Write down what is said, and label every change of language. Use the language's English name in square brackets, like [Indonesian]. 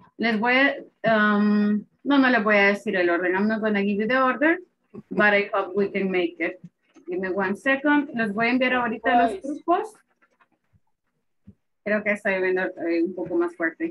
[Spanish] Les voy a, no les voy a decir el orden. [English] I'm not going to give you the order, but I hope we can make it. Give me 1 second. [Spanish] Les voy a enviar ahorita los grupos. Creo que estoy viendo un poco más fuerte.